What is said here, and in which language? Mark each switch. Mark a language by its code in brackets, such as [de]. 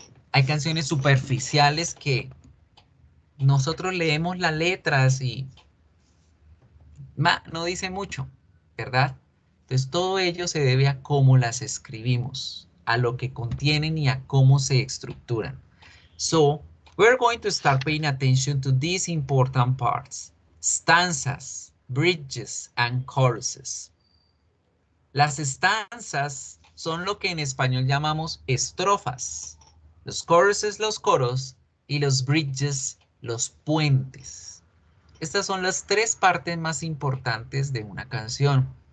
[es] Hay canciones superficiales que nosotros leemos las letras y no dice mucho, ¿verdad? Entonces todo ello se debe a cómo las escribimos, a lo que contienen y a cómo se estructuran. [en] So, we're going to start paying attention to these important parts. Stanzas, bridges, and choruses. [es] Las estanzas son lo que en español llamamos estrofas. Los choruses, los coros, y los bridges, los puentes. Estas son las tres partes más importantes de una canción.